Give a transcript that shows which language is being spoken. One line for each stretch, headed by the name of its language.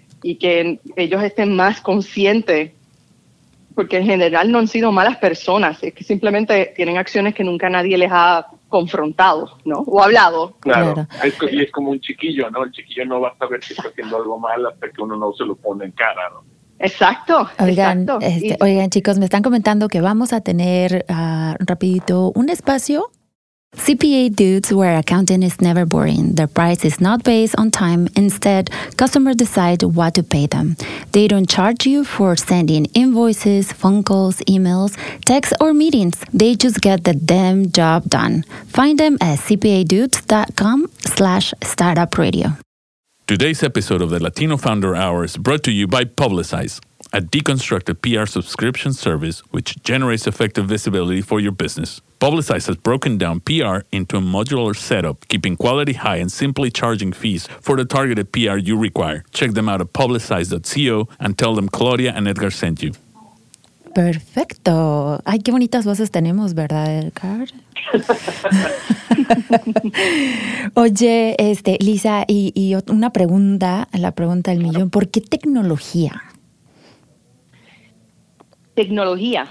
Spanish: Y que ellos estén más conscientes, porque en general no han sido malas personas, es que simplemente tienen acciones que nunca nadie les ha confrontado, ¿no? O hablado. Claro. Y es como un chiquillo, ¿no? El chiquillo no va a saber si está haciendo algo mal hasta que uno no se lo pone en cara, ¿no? Exacto. Oigan, chicos, me están comentando que vamos a tener rapidito un espacio.
English: CPA dudes where accounting is never boring. Their price is not based on time. Instead, customers decide what to pay them. They don't charge you for sending invoices, phone calls, emails, texts, or meetings. They just get the damn job done. Find them at cpadudes.com/startupradio. Today's episode of the Latino Founder Hour is brought to you by Publicize, a deconstructed PR subscription service which generates effective visibility for your business. Publicize has broken down PR into a modular setup, keeping quality high and simply charging fees for the targeted PR you require. Check them out at publicize.co and tell them Claudia and Edgar sent you.
Spanish: Perfecto. Ay, qué bonitas voces tenemos, ¿verdad, Edgar? Oye, Lisa, y una pregunta, la pregunta del millón. ¿Por qué tecnología? ¿Tecnología?